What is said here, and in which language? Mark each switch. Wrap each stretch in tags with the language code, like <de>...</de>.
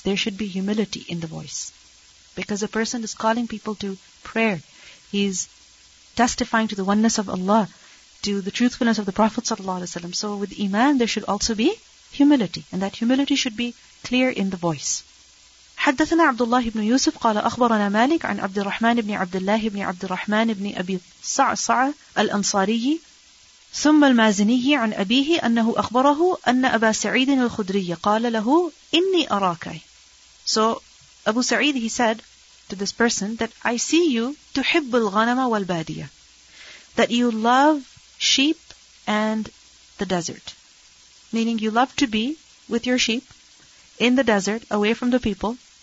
<en>There should be humility in the voice. Because a person is calling people to prayer. He's testifying to the oneness of Allah, to the truthfulness of the Prophet ﷺ. So with iman, there should also be humility. And that humility should be clear in the voice.</en> <ar>حدثنا عبد الله بن يوسف قال أخبرنا مالك عن عبد الرحمن بن عبد الله بن عبد الرحمن بن أبي صعصع الأنصاري ثم المازني عن أبيه أنه أخبره أن أبا سعيد الخدري قال له إني أراك.</ar> <en>So Abu Sa'id, he said to this person that I see you</en> <ar>تحب الغنم والبادية,</ar> <en>that you love sheep and the desert, meaning you love to be with your sheep in the desert, away from the people.</en>